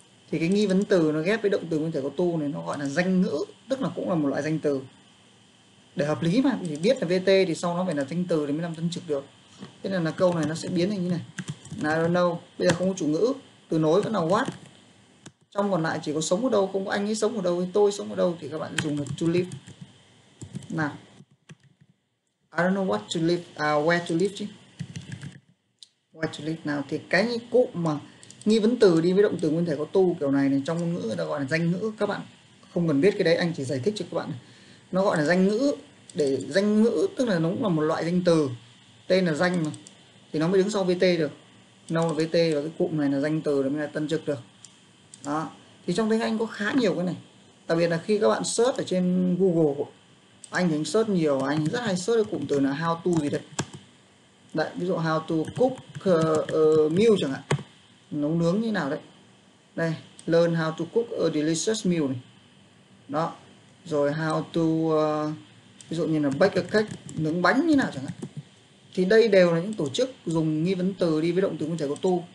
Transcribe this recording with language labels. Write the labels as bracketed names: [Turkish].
[Vietnamese] Thì cái nghi vấn từ nó ghép với động từ nguyên thể có to này, nó gọi là danh ngữ, tức là cũng là một loại danh từ. Để hợp lý mà, thì biết là VT thì sau nó phải là danh từ thì mới làm tân trực được. Thế nên là câu này nó sẽ biến thành như này. [English] I don't know, [Vietnamese] bây giờ không có chủ ngữ, từ nối vẫn là what, trong còn lại chỉ có sống ở đâu, không có anh ấy sống ở đâu hay tôi sống ở đâu, thì các bạn dùng là to live. [English] Nào, I don't know what to live, à where to live chứ. [Vietnamese] Where to live nào, thì cái nghi cụ mà nghi vấn từ đi với động từ nguyên thể có to kiểu này này, trong ngôn ngữ người ta gọi là danh ngữ. Các bạn không cần biết cái đấy, anh chỉ giải thích cho các bạn. Nó gọi là danh ngữ, để danh ngữ tức là nó cũng là một loại danh từ. Tên là danh mà, thì nó mới đứng sau VT được. Nó là VT và cái cụm này là danh từ mới là tân trực được. Đó. Thì trong tiếng Anh có khá nhiều cái này. Đặc biệt là khi các bạn search ở trên Google, anh thì anh search nhiều, anh rất hay search cái cụm từ là how to gì đấy. Đấy, ví dụ [English] how to cook meal [Vietnamese] chẳng hạn. Nấu nướng như nào đấy. [English] Đây, learn how to cook a delicious meal này. [Vietnamese] Đó. Rồi how to ví dụ như là [English] bake a cake, [Vietnamese] nướng bánh như nào chẳng hạn. Thì đây đều là những tổ chức dùng nghi vấn từ đi với động từ nguyên thể có to.